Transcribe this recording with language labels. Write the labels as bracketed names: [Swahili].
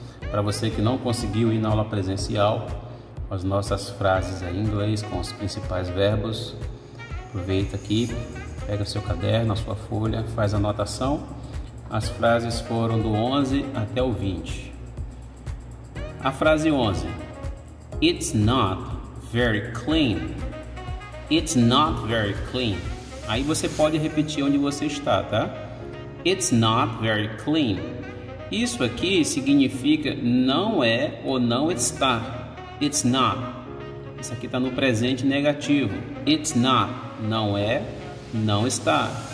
[Portuguese] Para você que não conseguiu ir na aula presencial, as nossas frases em inglês com os principais verbos, aproveita aqui, pega o seu caderno, a sua folha, faz a anotação. As frases foram do 11 até o 20. A frase 11, [English] it's not very clean, it's not very clean. [Portuguese] Aí você pode repetir onde você está, tá? [English] It's not very clean. [Portuguese] Isso aqui significa não é ou não está. [English] It's not. [Portuguese] Isso aqui está no presente negativo. [English] It's not. [Portuguese] Não é, não está.